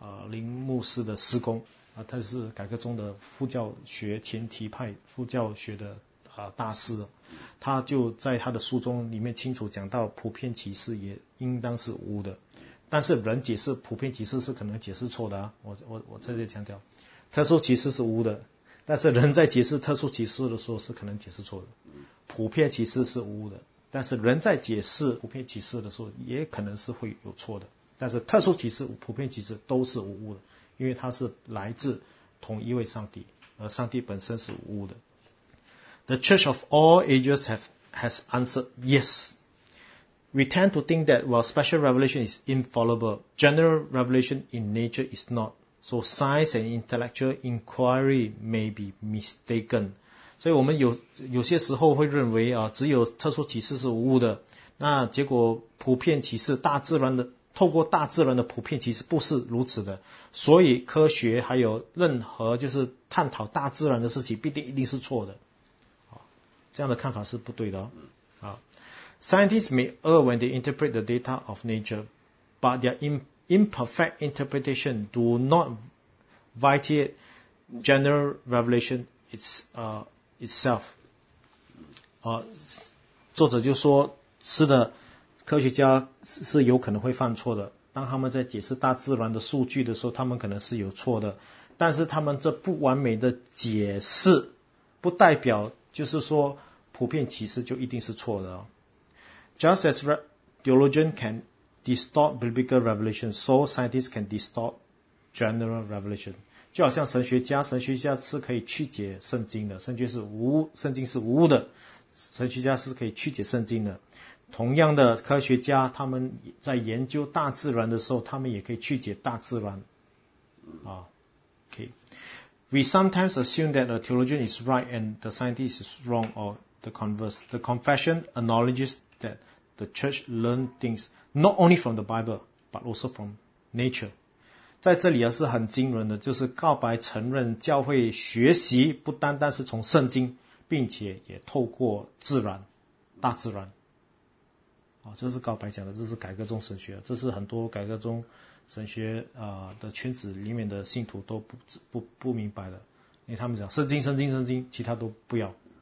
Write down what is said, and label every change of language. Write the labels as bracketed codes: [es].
[zh] 林牧师的师公他是改革中的副教学前提派副教学的大师，他就在他的书中里面清楚讲到普遍启示也应当是无的，但是人解释普遍启示是可能解释错的我在这里强调特殊启示是无的，但是人在解释特殊启示的时候是可能解释错的，普遍启示是无的，但是人在解释普遍启示的时候也可能是会有错的，但是特殊启示普遍启示都是无误的，因为它是来自同一位上帝，而上帝本身是无误的。 [en] The church of all ages has answered yes. We tend to think that while special revelation is infallible, general revelation in nature is not. So science and intellectual inquiry may be mistaken. [zh] 所以我们有些时候会认为啊，只有特殊启示是无误的。那结果普遍启示，大自然的透过大自然的普遍启示不是如此的。所以科学还有任何就是探讨大自然的事情，必定一定是错的。这样的看法是不对的哦。 [en] Scientists may err when they interpret the data of nature, but their imperfect interpretation do not vitiate general revelation itself. [zh] 作者就说，是的，科学家是有可能会犯错的。当他们在解释大自然的数据的时候，他们可能是有错的。但是他们这不完美的解释，不代表就是说普遍启示就一定是错的。 [en] Just as theologian can distort biblical revelation, so scientists can distort general revelation. [zh] 就好像神学家是可以曲解圣经的，圣经是无误的，神学家是可以曲解圣经的。同样的，科学家他们在研究大自然的时候，他们也可以曲解大自然。 [en] Okay. We sometimes assume that a theologian is right and the scientist is wrong, or the converse. The confession acknowledges that the church learned things not only from the Bible, but also from nature. [zh] 在这里是很惊人的，就是告白承认教会学习不单单是从圣经，并且也透过自然，大自然。这是告白讲的，这是改革宗神学，这是很多改革宗神学的圈子里面的信徒都不明白的，因为他们讲圣经，其他都不要。